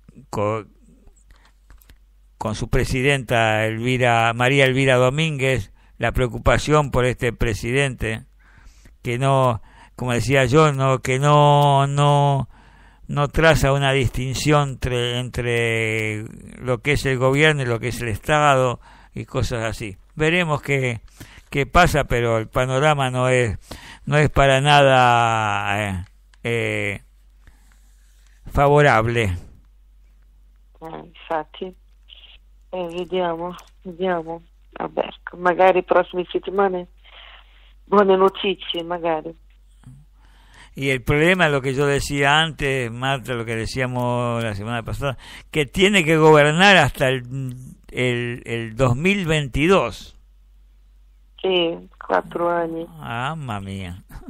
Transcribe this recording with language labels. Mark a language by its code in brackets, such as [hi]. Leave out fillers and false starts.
[es] con su presidenta María Elvira Domínguez, la preocupación por este presidente, que no, como decía yo, no traza una distinción entre lo que es el gobierno y lo que es el Estado y cosas así. Veremos qué pasa, pero el panorama no es para nada favorable. [it] Infatti, vediamo, Alberto, magari prossime settimane, buone notizie, magari. [es] Y el problema es lo que yo decía antes, Marta, lo que decíamos la semana pasada, que tiene que gobernar hasta el 2022. Sí, 4 años. [it] Mamma mía.